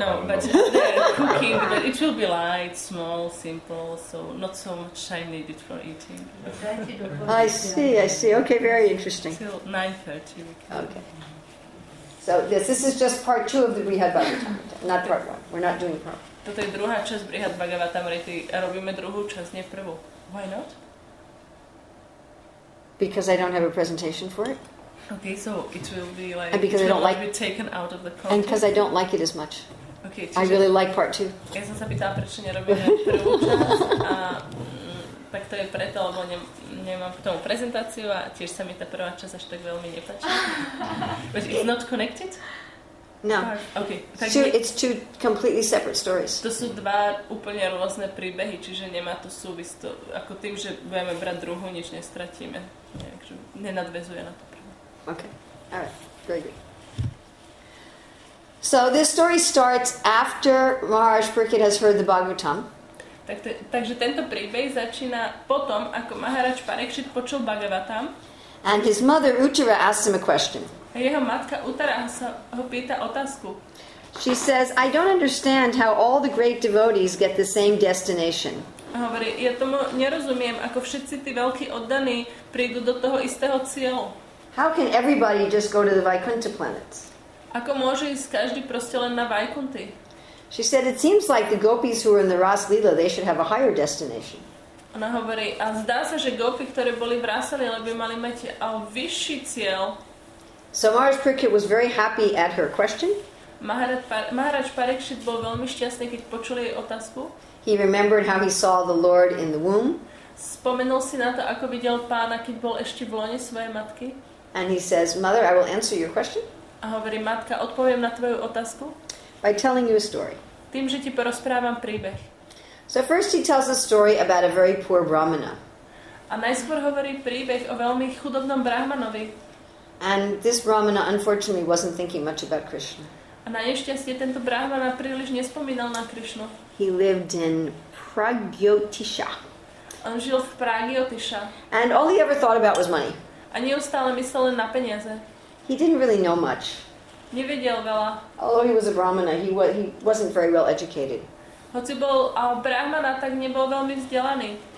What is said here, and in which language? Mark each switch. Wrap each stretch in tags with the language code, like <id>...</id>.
<en>No, but the cooking, but it will be light, small, simple, so not so much I needed for eating. I see. Okay, very interesting. Till 9:30. Okay. So this is just part two of the Brihadbhagavatamrita, not part one. We're not doing part one.</en> <sk>Toto je druhá časť Brihadbhagavatamrity. Robíme druhú časť, nie prvú.</sk> <en>Why not? Because I don't have a presentation for it. Okay, so it will be like... And because it I don't like... be taken out of the context. And because I don't like it as much. Okay. I really like part two.</en> <sk>Ja som sa pýtala, prečo nerobíme prvú časť. Tak to je preto, lebo nemám k tomu prezentáciu a tiež sa mi tá prvá časť až tak veľmi nepáči.</sk> <en>But it's not connected? No. Okay. It's two completely separate stories.</en> <sk>To sú dva úplne rôzne príbehy, čiže nemá to súvisť. To, ako tým, že budeme brať druhú, nič nestratíme. Takže nenadvezuje na to.</sk> <en>Okay. All right. Very good. So this story starts after Maharaj Prakrit has heard the Bhagavatam.</en> <sk>Takže tento príbeh začína potom, ako Maharaj Prakrit počul Bhagavatam.</sk> <en>And his mother Uttara asks him a question.</en> <sk>A jeho matka Uttara sa ho pýta otázku.</sk> <en>She says, "I don't understand how all the great devotees get the same destination."</en> <sk>A hovorí, ja tomu nerozumiem, ako všetci tí veľkí oddaní prídu do toho istého cieľa.</sk> <en>How can everybody just go to the Vaikuntha planets?</en> <sk>Ako môže ísť každý proste len na Vaikunty?</sk> <en>She said it seems like the gopis who were in the Ras Lila they should have a higher destination.</en> <sk>Ona hovorí, a zdá sa, že gopi, ktoré boli v Ras Lila, by mali mať vyšší cieľ.</sk> <en>So Maharaj Prakrit was very happy at her question.</en> <sk>Maharaj Prakrit bol veľmi šťastný, keď počul jej otázku.</sk> <en>He remembered how he saw the Lord in the womb.</en> <sk>Spomenul si na to, ako videl pána, keď bol ešte v lone svojej matky.</sk> <en>And he says, "Mother, I will answer your question."</en> <sk>A hovorí, matka, odpoviem na tvoju otázku.</sk> <en>By telling you a story.</en> <sk>Tým, že ti porozprávam príbeh.</sk> <en>So first he tells a story about a very poor brahmana.</en> <sk>A najskôr hovorí príbeh o veľmi chudobnom brahmanovi.</sk> <en>And this Brahmana unfortunately wasn't thinking much about Krishna.</en> <sk>A na nešťastie tento Brahmana príliš nespomínal na Krishnu.</sk> <en>He lived in Pragyotisha.</en> <sk>On žil v Pragyotisha.</sk> <en>And all he ever thought about was money.</en> <sk>A neustále myslel len na peniaze.</sk> <en>He didn't really know much.</en> <sk>Nevedel veľa.</sk> <en>Although he was a Brahmana, he wasn't very well educated.</en> <sk>Hoci bol Brahmana, tak nebol veľmi vzdelaný.</sk>